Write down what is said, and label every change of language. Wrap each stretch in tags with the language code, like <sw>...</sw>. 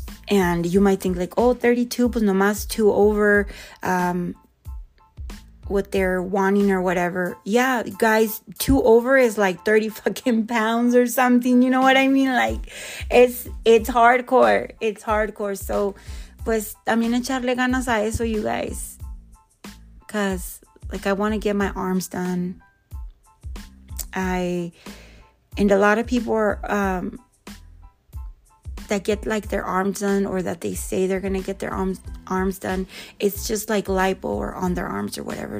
<en>And you might think like, oh, 32, but nomás two over what they're wanting or whatever. Yeah, guys, two over is like 30 fucking pounds or something. You know what I mean? Like, it's hardcore. It's hardcore.</en> <es>So, pues, también echarle ganas a eso,</es> <en>you guys. Because, like, I want to get my arms done. And a lot of people are, that get, like, their arms done or that they say they're going to get their arms done, it's just, like, lipo or on their arms or whatever.</en>